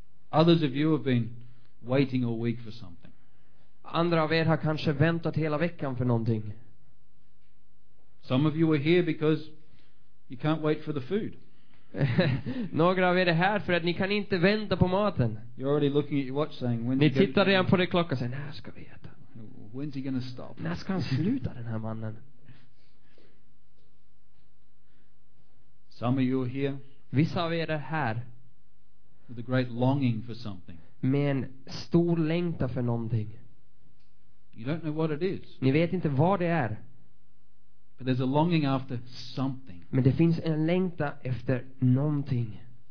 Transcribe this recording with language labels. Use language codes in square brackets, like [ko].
[en] Others of you have been waiting all week for something. [sv] Andra av er har kanske väntat hela veckan för någonting. [en] Some of you are here because you can't wait for the food. [sv] Några av er är här för att ni kan inte vänta på maten. [en] You're already looking at your watch saying when. [sv] Ni tittar redan på det klockan och säger när ska vi äta? [en] When's he gonna stop? [sv] När ska han sluta den här mannen? [en] Some of you are here. [sv] Vissa av er är här. [en] With a great longing for something. [sv] Med en stor längtan för någonting. [en] You don't know what it is. [sv] Ni vet inte vad det är. [en] But there's a longing after something. [sv] Men det finns en längtan efter någonting.